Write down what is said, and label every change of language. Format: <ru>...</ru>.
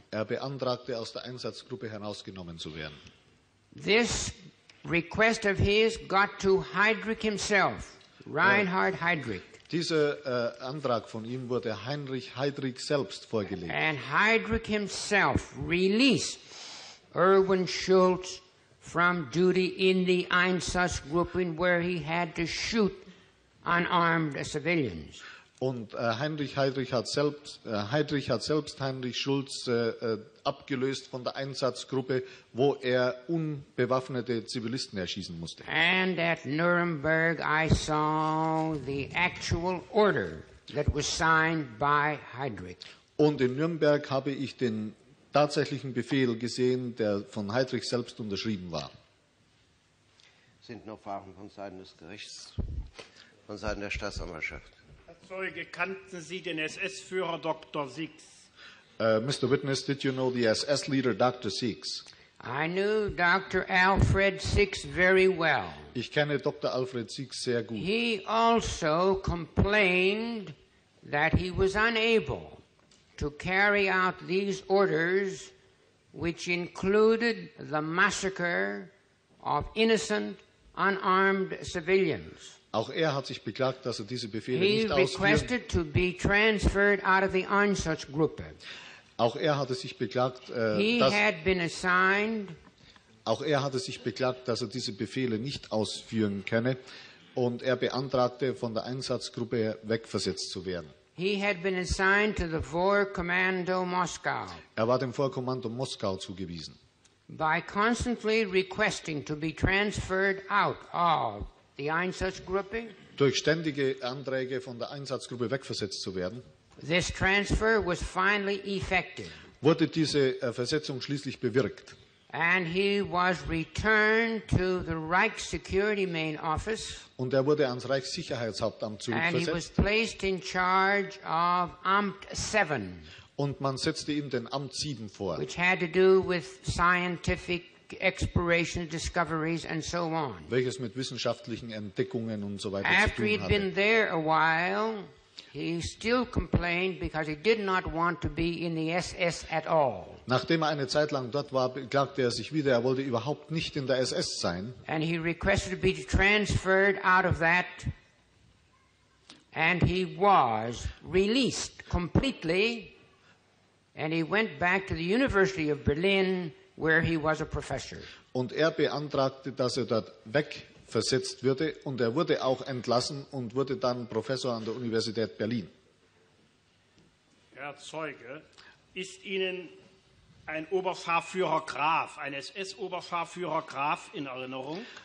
<de>Er beantragte, aus der Einsatzgruppe herausgenommen zu werden.</de> <en>This request of his got to Heydrich himself, Reinhard Heydrich.</en> <de>Dieser Antrag von ihm wurde Heinrich Heydrich selbst vorgelegt.</de> <en>And Heydrich himself released Erwin Schulz from duty in the Einsatzgruppen, where he had to shoot unarmed civilians.</en> <de>Und Heydrich hat selbst Heinrich Schulz abgelöst von der Einsatzgruppe, wo er unbewaffnete Zivilisten erschießen musste.</de> <en>And at Nuremberg I saw the actual order that was signed by Heydrich.</en> <de>Und in Nürnberg habe ich den tatsächlichen Befehl gesehen, der von Heydrich selbst unterschrieben war. Sind noch Fragen von Seiten des Gerichts, von Seiten der Staatsanwaltschaft? Zeuge, kannten Sie den SS-Führer Dr. Six?</de> <en>Mr. Witness, did you know the SS leader Dr. Six? I knew Dr. Alfred Six very well.</en> <de>Ich kenne Dr. Alfred Six sehr gut.</de> <en>He also complained that he was unable to carry out these orders, which included the massacre of innocent, unarmed civilians.</en> <de>Auch er hat sich beklagt, dass er diese Befehle nicht ausführen konnte. Auch er hatte sich beklagt, dass er diese Befehle nicht ausführen könne, und er beantragte, von der Einsatzgruppe wegversetzt zu werden.</de> <en>He had been assigned to the Vorkommando Moskau.</en> <de>Er war dem Vorkommando Moskau zugewiesen.</de> <en>By constantly requesting to be transferred out of the Einsatzgruppe,</en> <de>durch ständige Anträge von der Einsatzgruppe wegversetzt zu werden,</de> <en>this transfer was finally effected.</en> <de>Wurde diese Versetzung schließlich bewirkt.</de> <en>And he was returned to the Reich Security Main Office.</en> <de>Und er wurde ans Reichssicherheitshauptamt zurückversetzt.</de> <en>And he was placed in charge of Amt 7.</en> <de>Und man setzte ihm den Amt 7 vor.</de> <en>Which had to do with scientific exploration, discoveries and so on.</en> <de>Welches mit wissenschaftlichen Entdeckungen und so weiter zu tun hatte.</de> <en>After he'd been there a while, he still complained because he did not want to be in the SS at all.</en> <de>Nachdem er eine Zeit lang dort war, beklagte er sich wieder, er wollte überhaupt nicht in der SS sein.</de> <en>And he requested to be transferred out of that, and he was released completely, and he went back to the University of Berlin, where he was a professor.</en> <de>Und er beantragte, dass er dort wegversetzt würde, und er wurde auch entlassen und wurde dann Professor an der Universität Berlin. Herr Zeuge, ist Ihnen ein Oberscharführer Graf, ein SS-Oberscharführer Graf in Erinnerung?</de>